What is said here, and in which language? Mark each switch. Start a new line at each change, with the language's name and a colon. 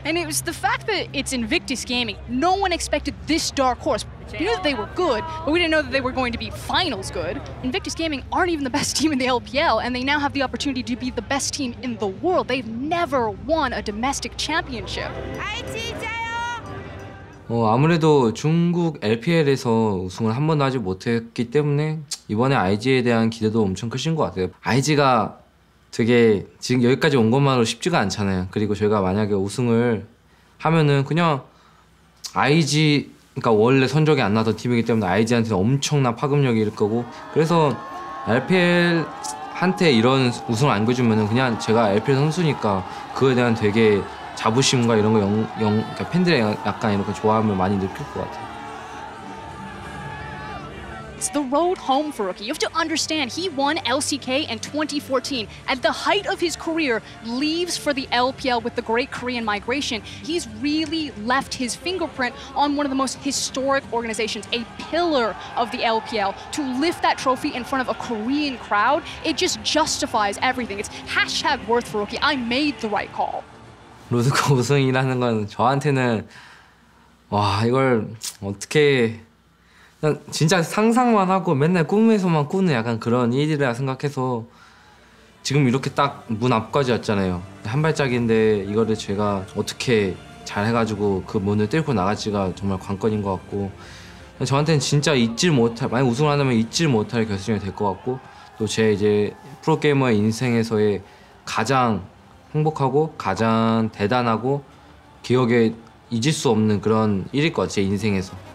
English: And it was the fact that it's Invictus Gaming, no one expected this dark horse. We knew that they were good, but we didn't know that they were going to be finals good. Invictus Gaming aren't even the best team in the LPL, and they now have the opportunity to be the best team in the world. They've never won a domestic championship. IT!
Korean: 뭐 아무래도 중국 LPL에서 우승을 한 번도 하지 못했기 때문에 이번에 IG에 대한 기대도 엄청 크신 것 같아요. IG가 되게 지금 여기까지 온 것만으로 쉽지가 않잖아요. 그리고 저희가 만약에 우승을 하면은 그냥 IG, 그러니까 원래 성적이 안 나던 팀이기 때문에 IG한테는 엄청난 파급력이 일 거고 그래서 LPL한테 이런 우승을 안겨주면은 그냥 제가 LPL 선수니까 그거에 대한 되게 자부심과 이런 거 그러니까 팬들의 약간 이런 거 좋아함을 많이 느낄 것 같아요.
English: It's the road home for Rookie. You have to understand, he won LCK in 2014. At the height of his career, leaves for the LPL with the great Korean migration. He's really left his fingerprint on one of the most historic organizations, a pillar of the LPL. To lift that trophy in front of a Korean crowd, it just justifies everything. It's hashtag worth for Rookie. I made the right call.
Korean: 로드컵 우승이라는 건 저한테는 와 이걸 어떻게 그냥 진짜 상상만 하고 맨날 꿈에서만 꾸는 약간 그런 일이라 생각해서 지금 이렇게 딱 문 앞까지 왔잖아요. 한 발짝인데 이거를 제가 어떻게 잘 해가지고 그 문을 뚫고 나갈지가 정말 관건인 것 같고 저한테는 진짜 잊질 못할 만약 우승을 한다면 잊질 못할 결승이 될 것 같고 또 제 이제 프로게이머의 인생에서의 가장 행복하고 가장 대단하고 기억에 잊을 수 없는 그런 일일 것 같아요, 제 인생에서.